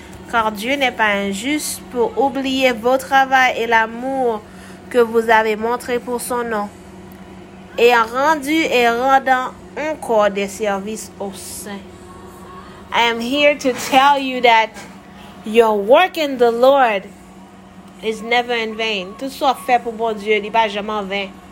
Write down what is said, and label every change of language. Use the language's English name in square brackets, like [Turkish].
[French] Car Dieu n'est pas injuste pour oublier vos travaux et l'amour que vous avez montré pour son nom, et en rendu et rendant encore des services aux saints. [English] I am here to tell you that your work in the Lord is never in vain. [French] Tout ce qu'on fait pour bon Dieu n'est pas jamais en vain.